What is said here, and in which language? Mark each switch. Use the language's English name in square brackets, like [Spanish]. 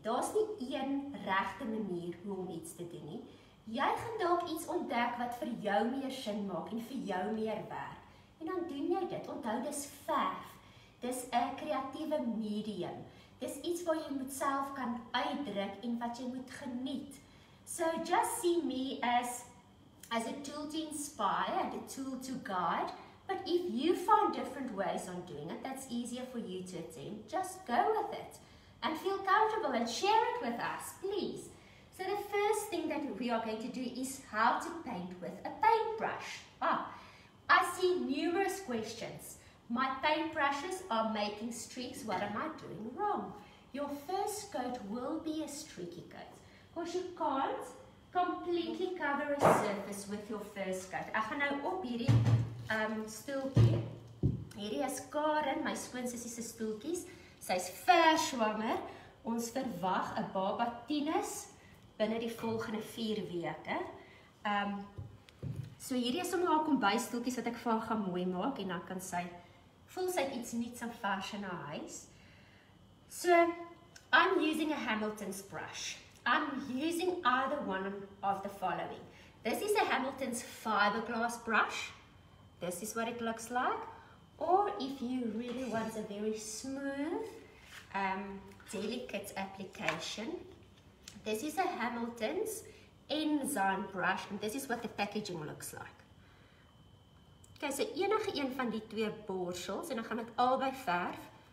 [Afrikaans] Daar's nie een regte manier hoe om iets te doen nie. Jy gaan dalk iets ontdek wat vir jou meer sin maak en vir jou meer werk. En dan doen jy dit. Onthou, dis verf. Dis 'n kreatiewe medium. Dis iets wat jy moet self kan uitdruk en wat jy moet geniet. [English] So just see me as a tool to inspire and a tool to guide. But if you find different ways on doing it that's easier for you to attempt, just go with it and feel comfortable and share it with us, please. So the first thing that we are going to do is how to paint with a paintbrush. Ah, I see numerous questions. My paintbrushes are making streaks. What am I doing wrong? Your first coat will be a streaky coat. Because you can't completely cover a surface with your first coat. [Afrikaans] Ek gaan nou op hierdie stoeltjie. Hierdie is Karen, my skoonsussie se stoeltjies. Sy's vers swanger. Ons verwag 'n baba tieners binne die volgende 4 weke. So hierdie is om haar kombuisstoeltjies wat ek vir haar gaan mooi maak en dan kan sy voel sy iets nuuts en vars in haar huis. [English] So I'm using a Hamilton's brush. I'm using either one of the following. This is a Hamilton's fiberglass brush. This is what it looks like. Or if you really want a very smooth, delicate application, this is a Hamilton's enzyme brush and this is what the packaging looks like. [Afrikaans] Okay, so enige een van die twee borsels en dan gaan ek albei verf.